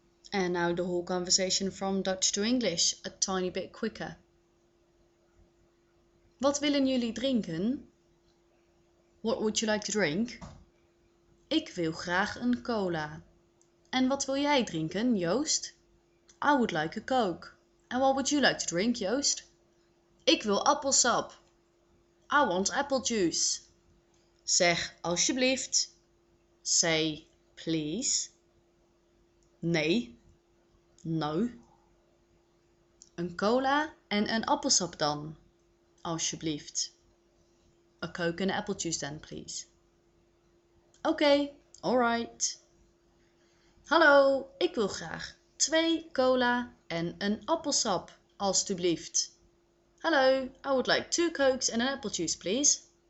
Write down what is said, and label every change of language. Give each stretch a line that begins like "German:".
English: And now the whole conversation from Dutch to English, a tiny bit quicker.
Dutch: Wat willen jullie drinken?
English: What would you like to drink?
Dutch: Ik wil graag een cola. En wat wil jij drinken, Joost?
English: I would like a Coke. And what would you like to drink, Joost?
Dutch: Ik wil appelsap.
English: I want apple juice.
Dutch: Zeg alsjeblieft.
English: Say please.
Dutch: Nee.
English: No.
Dutch: Een cola en een appelsap dan, alsjeblieft.
English: A coke and apple juice then, please. Okay, all right.
Dutch: Hallo, ik wil graag 2 cola en een appelsap, alsjeblieft.
English: Hello, I would like 2 cokes and an apple juice, please.